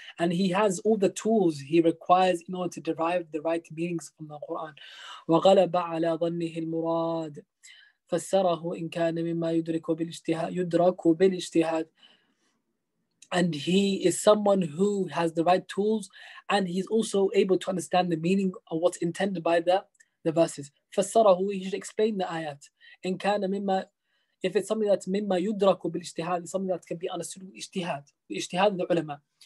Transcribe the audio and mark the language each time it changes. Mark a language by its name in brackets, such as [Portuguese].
[English] And he has all the tools he requires in order to derive the right meanings from the Quran. [Arabic] وَغَلَبَ عَلَى ظَنِّهِ الْمُرَادِ. فسره إن كان مما يدرك بالاجتهاد يدرك بالاجتهاد. [English] And he is someone who has the right tools and he's also able to understand the meaning of what's intended by the verses. [Arabic] فسره, [English] he should explain the ayat. [Arabic] إن كان مما, [English] if it's something that's [Arabic] مما يدرك بالاجتهاد, [English] something that can be understood with اجتهاد, [Arabic] اجتهاد العلماء.